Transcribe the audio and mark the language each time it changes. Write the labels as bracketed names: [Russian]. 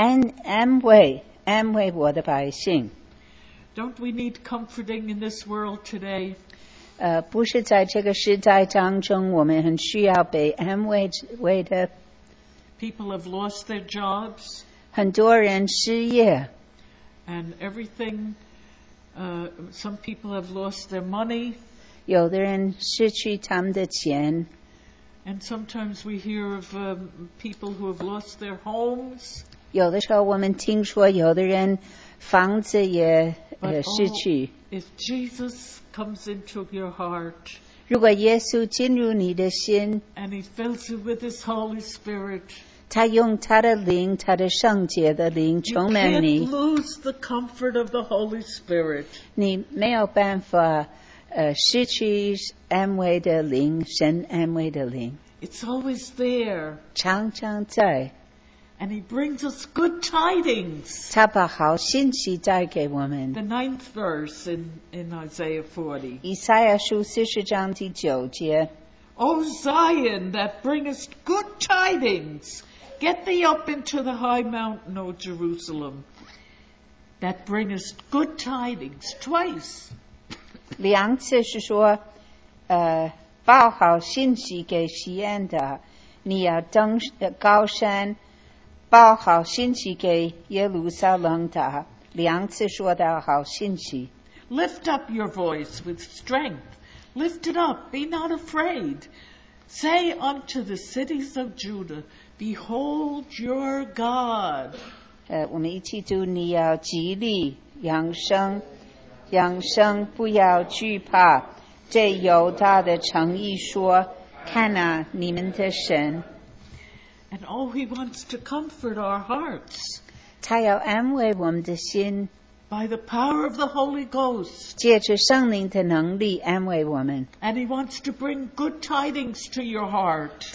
[Chinese] 40章在这里第一节是说你们的神说你们要安慰我的百姓 [English] Don't we need comforting in this world today? [Chinese] 不是在这个时代当中我们很需要被安慰的 [English] People have lost their jobs [Chinese] 很多人失业 [English] And everything some people have lost their money [Chinese] 有的人失去他们的钱 [English] And sometimes we hear of people who have lost their homes. [Chinese] 有的时候我们听说有的人房子也失去。 [English] If Jesus comes into your heart, [Chinese] 如果耶稣进入你的心 [English] and he fills you with his Holy Spirit, [Chinese] 他用他的灵他的圣洁的灵充满你 [English] you can't lose the comfort of the Holy Spirit. [Chinese] 你没有办法失去安慰的灵神安慰的灵 [English] It's always there. [Chinese] 常常在 [English] And he brings us good tidings. [Chinese] 他把好信息带给我们 [English] The ninth verse in Isaiah 40. [Chinese] 以赛亚书四十章第九节 [English] O Zion that bringest good tidings, get thee up into the high mountain, O Jerusalem, that bringest good tidings. Twice. [Chinese] 两次是说报好信息给西安的你要登高山报好信息给耶路撒冷的两次说的好信息 [English] Lift up your voice with strength Lift it up, be not afraid Say unto the cities of Judah Behold your God [Chinese] 我们一起读你要极力扬声扬声不要惧怕这犹大的诚意说看啊你们的神 [English] And all he wants to comfort our hearts [Chinese] 他要安慰我们的心 [English] By the power of the Holy Ghost [Chinese] 借着圣灵的能力安慰我们 [English] And he wants to bring good tidings to your heart